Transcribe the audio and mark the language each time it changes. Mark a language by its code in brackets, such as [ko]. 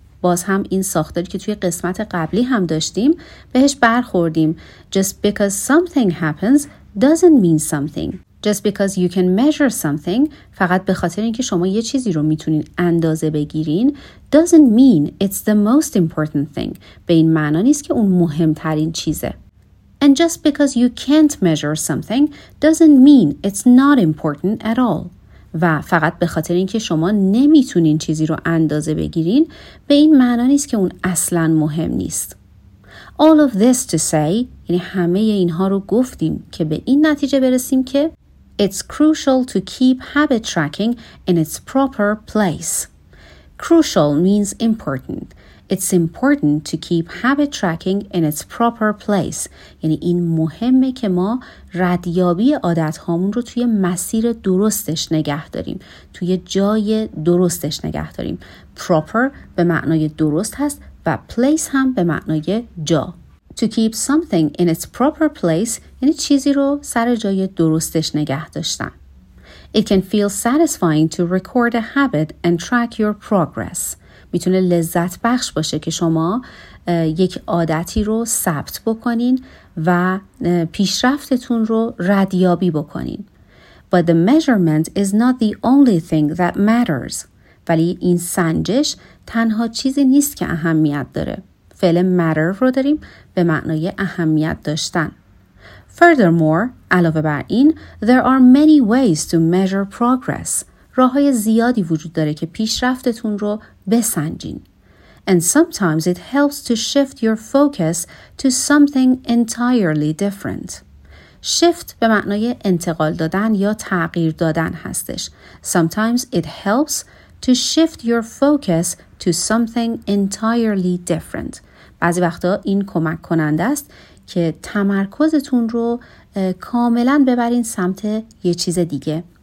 [fa] باز هم این ساختاری که توی قسمت قبلی هم داشتیم بهش برخوردیم. [en] Just because something happens doesn't mean something. Just because you can measure something [fa] فقط به خاطر اینکه شما یه چیزی رو میتونین اندازه بگیرین [en] doesn't mean it's the most important thing [fa] به این معنا نیست که اون مهمترین چیزه. [en] And just because you can't measure something doesn't mean it's not important at all. [fa] و فقط به خاطر اینکه شما نمیتونین چیزی رو اندازه بگیرین به این معنا نیست که اون اصلا مهم نیست. [en] All of this to say [fa] یعنی همه اینها رو گفتیم که به این نتیجه برسیم که [en] It's crucial to keep habit tracking in its proper place. Crucial means important. It's important to keep habit tracking in its proper place. [fa] یعنی این مهمه که ما ردیابی عادت هامون رو توی مسیر درستش نگه داریم. توی جای درستش نگه داریم. Proper به معنای درست هست و place هم به معنای جا. To keep something in its proper place یعنی چیزی رو سر جای درستش نگه داشتن. [en] It can feel satisfying to record a habit and track your progress. [fa] میتونه لذت بخش باشه که شما یک عادتی رو ثبت بکنین و پیشرفتتون رو ردیابی بکنین. [en] But the measurement is not the only thing that matters. ولی این سنجش تنها چیزی نیست که اهمیت داره. [fa] فعل matter رو داریم به معنای اهمیت داشتن. [en] Furthermore, [fa] علاوه بر این, [en] there are many ways to measure progress. [fa] راه‌های زیادی وجود داره که پیشرفتتون رو بسنجین. [en] And sometimes it helps to shift your focus to something entirely different. [fa] Shift به معنای انتقال دادن یا تغییر دادن هستش. [en] Sometimes it helps to shift your focus to something entirely different. [fa] بعضی وقتا این کمک کننده است که تمرکزتون رو کاملا ببرین سمت یه چیز دیگه.